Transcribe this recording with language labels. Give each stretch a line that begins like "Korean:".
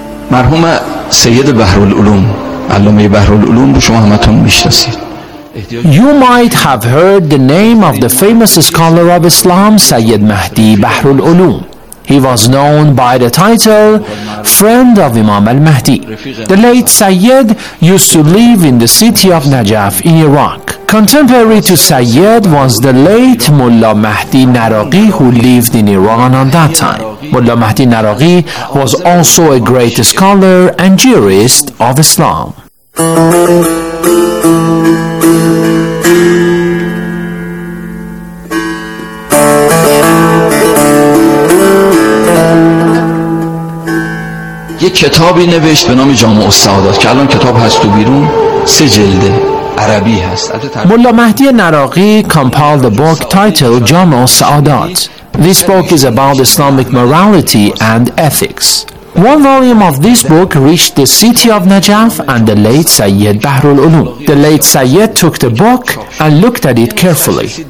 Persian: مرحوم سید بحرالعلوم علامه بحرالعلوم رو شما همتون میشناسید
English: You might have heard the name of the famous scholar of Islam, Sayyid Mahdi Bahrul Ulum. He was known by the title Friend of Imam al-Mahdi. The late Sayyid used to live in the city of Najaf in Iraq. Contemporary to Sayyid was the late Mullah Mahdi Naraqi who lived in Iran at that time. Mullah Mahdi Naraqi was also a great scholar and jurist of Islam.
Persian: یک کتابی نوشت به نام جامع السعادت که الان کتاب هست تو بیرون سه جلده عربی هست
English: ملا مهدی نراقی compiled a book titled جامع السعادت This book is about Islamic morality and ethics One volume of this book reached the city of Najaf and the late Sayyid Bahrul Ulum. The late Sayyid took the book and looked at it carefully.